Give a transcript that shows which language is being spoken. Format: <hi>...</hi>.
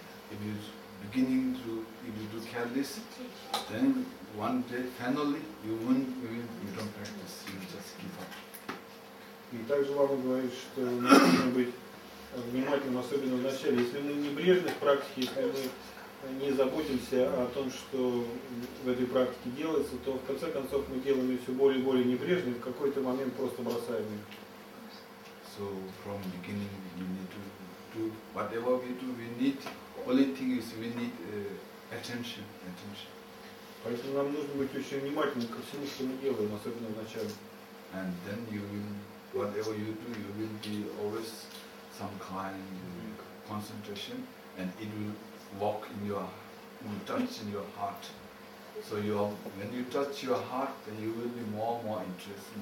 <en>Beginning to, if you do careless, then one day, finally, you won't, you don't practice, you just give up.</en> <ru>И также Лама говорит, что нужно быть внимательным, особенно вначале. Если мы небрежны в практике, если мы не заботимся о том, что в этой практике делается, то в конце концов мы делаем ее все более и более небрежно, и в какой-то момент просто бросаем ее.</ru> <en>So, from beginning, you need to do whatever we do, we need. Only thing is we need attention.</en> <ru>Поэтому нам нужно быть очень внимательны ко всему, что мы делаем, особенно в начале.</ru> <en>And then you will, whatever you do, you will be always some kind of concentration, and it will walk in your, will touch in your heart. So you are, when you touch your heart, then you will be more and more interested.</en>